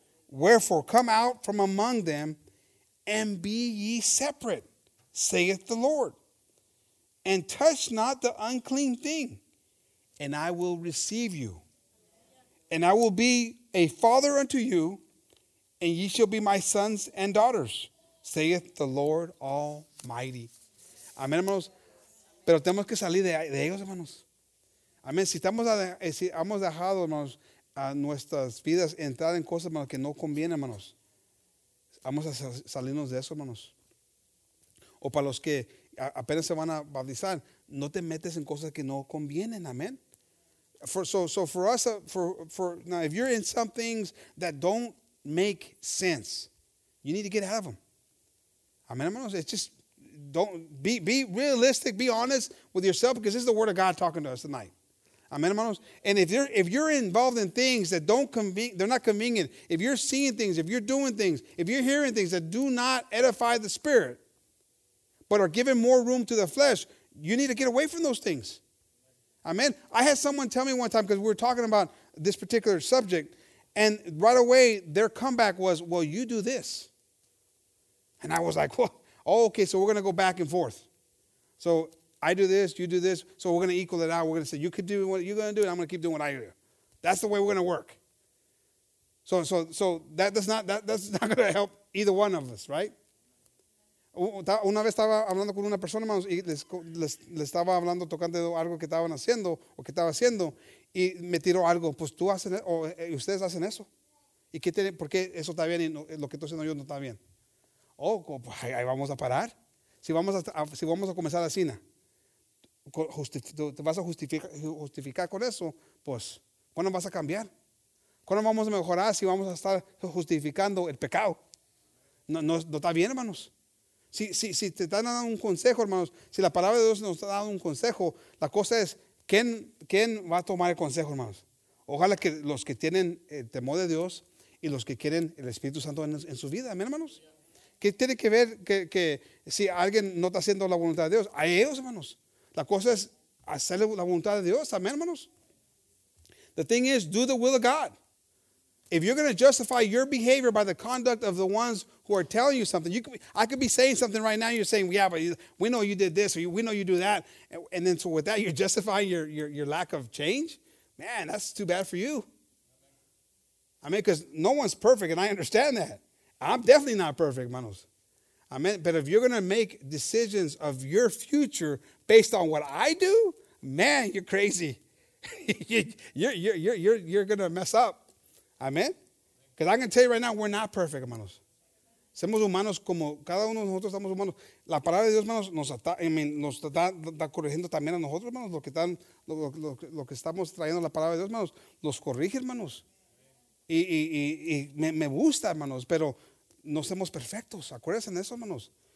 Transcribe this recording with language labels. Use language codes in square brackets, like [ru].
[en] Wherefore, come out from among them, and be ye separate, saith the Lord, and touch not the unclean thing, and I will receive you. And I will be a father unto you, and ye shall be my sons and daughters, saith the Lord Almighty. [es] Amén, hermanos. Pero tenemos que salir de ellos, hermanos. Amén. Si hemos dejado, hermanos, a nuestras vidas entrar en cosas, hermanos, que no convienen, hermanos, vamos a salirnos de eso, hermanos. O para los que apenas se van a bautizar, no te metes en cosas que no convienen. Amén. [en] For us, if you're in some things that don't make sense, you need to get out of them. [es] Amén, hermanos. [en] It's just, be realistic, be honest with yourself, because this is the word of God talking to us tonight. [es] Amén, hermanos. [en] And if you're involved in things that they're not convenient, if you're seeing things, if you're doing things, if you're hearing things that do not edify the spirit, but are giving more room to the flesh, you need to get away from those things. Amen. I had someone tell me one time, because we were talking about this particular subject, and right away their comeback was, well, you do this. And I was like, well, oh, okay, so we're going to go back and forth. So I do this, you do this, so we're going to equal it out. We're going to say, you could do what you're going to do, and I'm going to keep doing what I do. That's the way we're going to work. So that's not going to help either one of us, right? [es] Una vez estaba hablando con una persona, hermanos, y les estaba hablando tocante algo que estaban haciendo o que estaba haciendo, y me tiró algo, pues tú hacen o ustedes hacen eso, y qué tiene, por qué eso está bien y no, lo que estoy haciendo yo no está bien. Oh, pues ahí vamos a parar. Si vamos a comenzar la cena, te vas a justificar con eso, pues ¿cuándo vas a cambiar? ¿Cuándo vamos a mejorar si vamos a estar justificando el pecado? No está bien, hermanos. Si te están dando un consejo, hermanos, si la palabra de Dios nos está dando un consejo, la cosa es, ¿quién va a tomar el consejo, hermanos? Ojalá que los que tienen el temor de Dios y los que quieren el Espíritu Santo en su vida, ¿amén, hermanos? ¿Qué tiene que ver que si alguien no está haciendo la voluntad de Dios? A ellos, hermanos. La cosa es hacer la voluntad de Dios, ¿amén, hermanos? [en] The thing is, do the will of God. If you're going to justify your behavior by the conduct of the ones who are telling you something, I could be saying something right now. You're saying, yeah, but we know you did this, or we know you do that. And then so with that, you're justifying your lack of change. Man, that's too bad for you. I mean, because no one's perfect, and I understand that. I'm definitely not perfect, manos. I mean, but if you're going to make decisions of your future based on what I do, man, you're crazy. you're going to mess up. Amen. Because I can tell you right now, we're not perfect, hermanos. [es] Somos humanos como cada uno de nosotros estamos humanos. La palabra de Dios, hermanos, nos está corrigiendo también a nosotros, hermanos. Lo que estamos trayendo la palabra de Dios, hermanos, nos corrige, hermanos. Y me gusta, hermanos, pero no somos perfectos. Acuérdense de eso, hermanos.